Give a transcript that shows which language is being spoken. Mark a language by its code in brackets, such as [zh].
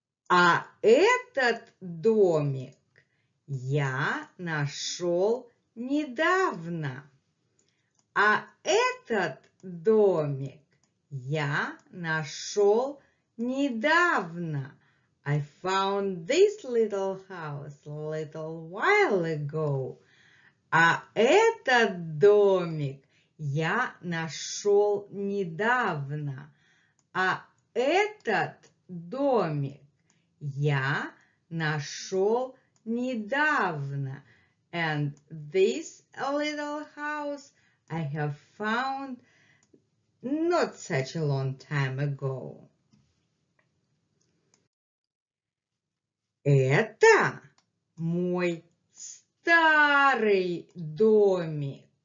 [ru] А этот домик я нашел недавно. А этот домик я нашел недавно. [en] I found this little house a little while ago. [ru] А этот домик я нашел недавно. А этот домик я нашел недавно. [en] And this little house I have found not such a long time ago. [ru] Это мой старый домик.